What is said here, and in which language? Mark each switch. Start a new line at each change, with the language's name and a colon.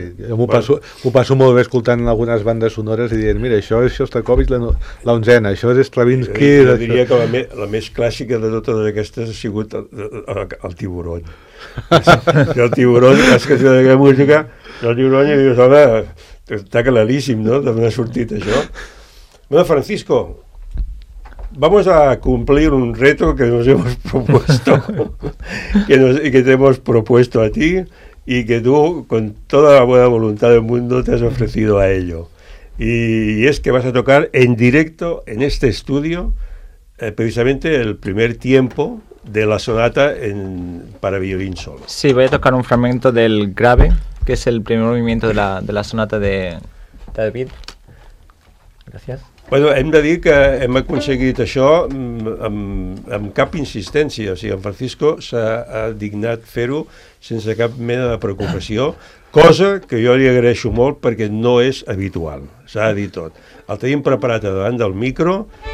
Catalan: M'ho passo molt bé escoltant algunes bandes sonores i dient, mira, això és Shostakovich la onzena, això és Stravinsky... Jo diria que la més clàssica de totes aquestes ha sigut el Tiburó. El Tiburó, que és aquella música, el Tiburó i dius, home, està claríssim, no?, d'on ha sortit això.
Spanish: Bueno, Francisco, vamos a cumplir un reto que nos hemos propuesto, que te hemos propuesto a ti y que tú, con toda la buena voluntad del mundo, te has ofrecido a ello. Y es que vas a tocar en directo en este estudio, precisamente el primer tiempo de la sonata para violín solo. Sí, voy a tocar un fragmento del grave, que es el primer movimiento de la sonata de David. Gracias.
Catalan: Bueno, hem de dir que hem aconseguit això amb cap insistència. O sigui, en Francisco s'ha dignat fer-ho sense cap mena de preocupació, cosa que jo li agraeixo molt perquè no és habitual, s'ha de dir tot. El tenim preparat davant del micro.